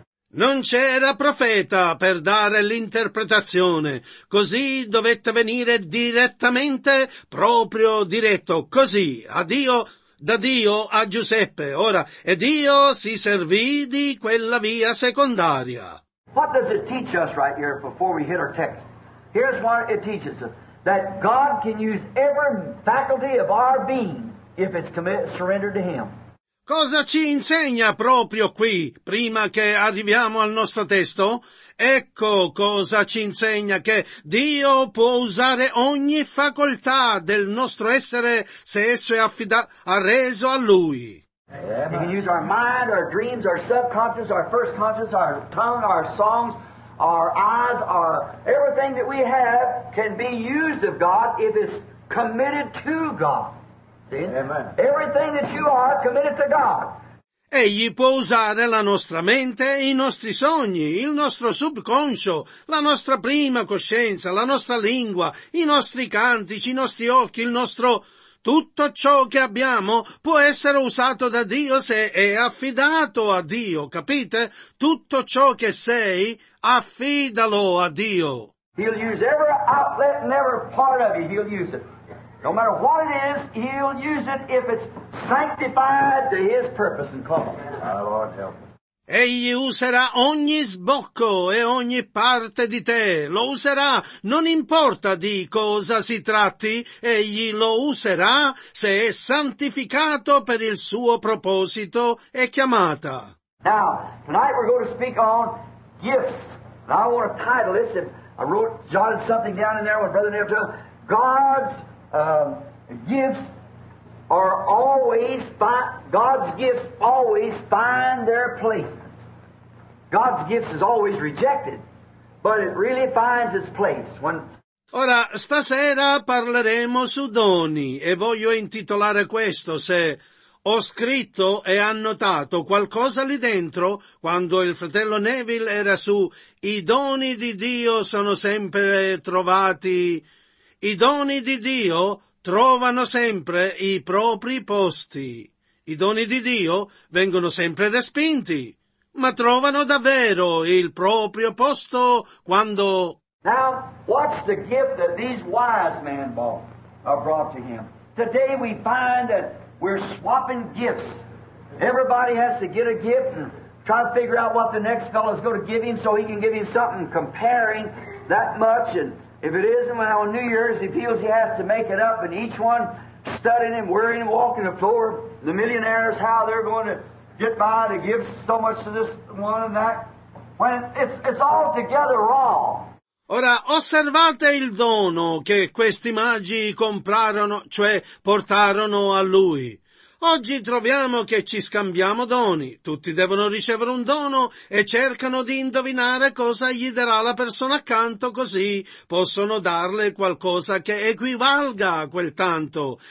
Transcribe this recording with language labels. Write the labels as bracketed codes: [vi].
[it] Non c'era profeta per dare l'interpretazione, così dovette venire direttamente, proprio diretto, così, a Dio, da Dio a Giuseppe. Ora, e Dio si servì di quella via secondaria. [en] What does it teach us right here before we hit our text? Here's what it teaches us, that God can use every faculty of our being if it's surrendered to him. [it] Cosa ci insegna proprio qui, prima che arriviamo al nostro testo? Ecco cosa ci insegna, che Dio può usare ogni facoltà del nostro essere se esso è reso a lui. [en] He can use our mind, our dreams, our subconscious, our first conscious, our tongue, our songs, our eyes, our everything that we have can be used of God if it's committed to God. Amen. Everything that you are committed to God. [it] Egli può usare la nostra mente, i nostri sogni, il nostro subconscio, la nostra prima coscienza, la nostra lingua, i nostri cantici, i nostri occhi, il nostro... tutto ciò che abbiamo può essere usato da Dio se è affidato a Dio, capite? Tutto ciò che sei, affidalo a Dio. [en] He'll use every outlet and every part of you, he'll use it. No matter what it is, he'll use it if it's sanctified to his purpose and call. Lord help. [it] Egli userà ogni sbocco e ogni parte di te. Lo userà, non importa di cosa si tratti, egli lo userà se è santificato per il suo proposito e chiamata. [en] Now, tonight we're going to speak on gifts. And I want to title this. I wrote, jotted something down in there with Brother Neil Tull. God's gifts are always God's gifts always find their places. God's gifts is always rejected, but it really finds its place when. [it] Ora, stasera parleremo su doni e voglio intitolare questo: se ho scritto e annotato qualcosa lì dentro quando il fratello Neville era su, i doni di Dio sono sempre trovati. I doni di Dio trovano sempre i propri posti. I doni di Dio vengono sempre respinti, ma trovano davvero il proprio posto quando... [en] Now, what's the gift that these wise men brought to him? Today we find that we're swapping gifts. Everybody has to get a gift and try to figure out what the next fellow is going to give him so he can give him something comparing that much and... If it isn't, well, on New Year's, he feels he has to make it up, and each one studying and worrying and walking the floor, the millionaires, how they're going to get by to give so much to this one and that, when it's all together wrong. [it] Ora, osservate il dono che questi magi comprarono, cioè portarono a lui. Oggi troviamo che ci scambiamo doni. Tutti devono ricevere un dono e cercano di indovinare cosa gli darà la persona accanto, così possono darle qualcosa che equivalga a quel tanto.